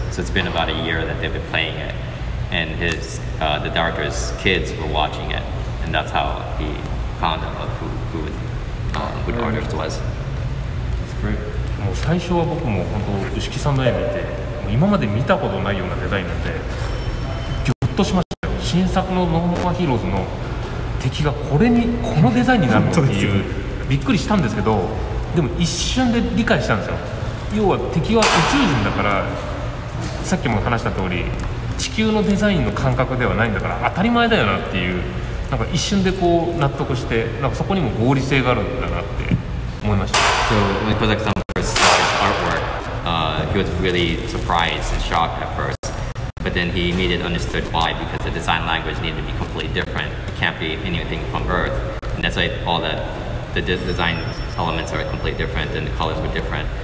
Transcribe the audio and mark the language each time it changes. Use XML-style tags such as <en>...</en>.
<en>So it's been about a year that they've been playing it, and his, the director's kids were watching it, and that's how he found out of who the artist was. That's great.</en> <ja>もう最初は僕も本当、牛木さんの絵見て、もう今まで見たことないようなデザインなんで、ぎょっとしました。新作のノーマーヒーローズの敵がこれにこのデザインになるっていうびっくりしたんですけど、でも一瞬で理解したんですよ。要は敵は宇宙人だから、さっきも話した通り地球のデザインの感覚ではないんだから当たり前だよなっていう、なんか一瞬でこう納得して、なんかそこにも合理性があるんだなって思いました。</ja> <en>So when Kozaki さん first saw his artwork, he was really surprised and shocked at firstBut then he immediately understood why, because the design language needed to be completely different. It can't be anything from Earth. And that's why all that, the design elements are completely different and the colors were different.</en>